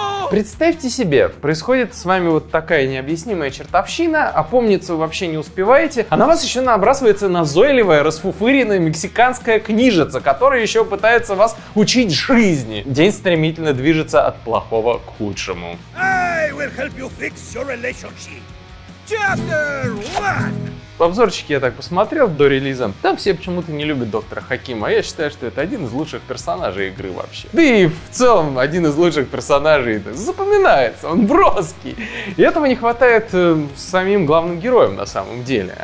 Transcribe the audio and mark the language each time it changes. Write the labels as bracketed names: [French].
[Russian] Представьте себе, происходит с вами вот такая необъяснимая чертовщина, опомниться вы вообще не успеваете, а на вас еще набрасывается назойливая, расфуфыренная мексиканская книжица, которая еще пытается вас учить жизни. День стремительно движется от плохого к худшему. [English] I will help you fix your relationship. Chapter 1. [Russian] Обзорчики я так посмотрел до релиза. Там все почему-то не любят доктора Хакима, а я считаю, что это один из лучших персонажей игры вообще. Да и в целом один из лучших персонажей запоминается, он броский. И этого не хватает самим главным героям на самом деле.